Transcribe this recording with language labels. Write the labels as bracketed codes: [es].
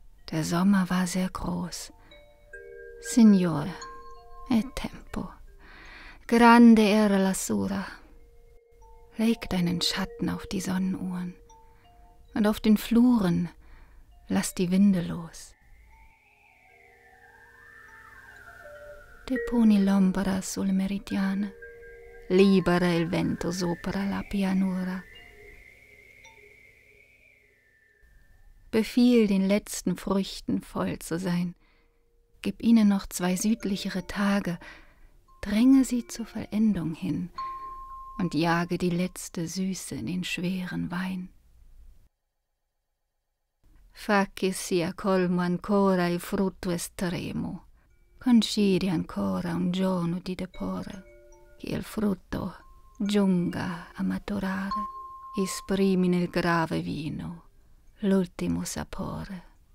[de] Der Sommer war sehr groß. [it] Signor, è tempo. Grande era la sura. [de] Leg deinen Schatten auf die Sonnenuhren und auf den Fluren lass die Winde los. [it] Deponi l'ombra sul meridiano, libera il vento sopra la pianura. [de] Befiehl den letzten Früchten voll zu sein. Gib ihnen noch zwei südlichere Tage. Dränge sie zur Vollendung hin und jage die letzte Süße in den schweren Wein. [it] Fa che sia colmo ancora il frutto estremo. Concedi ancora un giorno di depore, che il frutto giunga a maturare. Esprimi nel grave vino l'ultimo sapore.